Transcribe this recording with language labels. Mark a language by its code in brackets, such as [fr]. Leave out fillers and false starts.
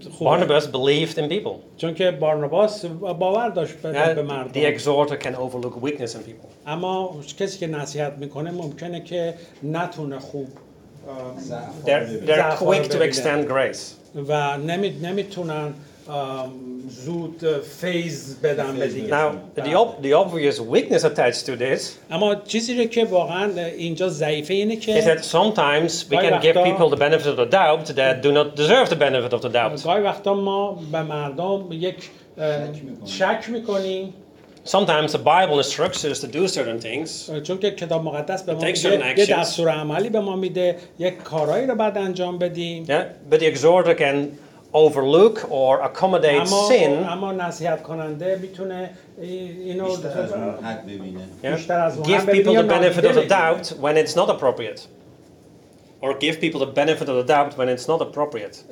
[en] Barnabas believed in people. Yeah, the exhorter can overlook weakness in people. [fa] اما کسی که نصیحت میکنه ممکنه که نتونه خوب. [en] They're quick to extend grace. [fa] و نمیتونن زود فیض بدن به دیگه. [en] Now the obvious weakness attached to this. [fa] اما چیزی که واقعا اینجا ضعیفه اینه که. [en] Is that sometimes we can give people the benefit of the doubt that do not deserve the benefit of the doubt. [fa] گاهی وقتا ما به مردم یک شک میکنیم. [en] Sometimes the Bible instructs us to do certain things. [fa] چون که کتاب مقدس به ما یه دستور عملی به ما میده یک کارایی رو بعد انجام بدیم. [en] Yeah, but the exhorter can overlook or accommodate sin. [fa] اما نصیحت کننده میتونه اینو بیشتر از [en] give people the benefit of the doubt when it's not appropriate. Or give people the benefit of the doubt when it's not appropriate.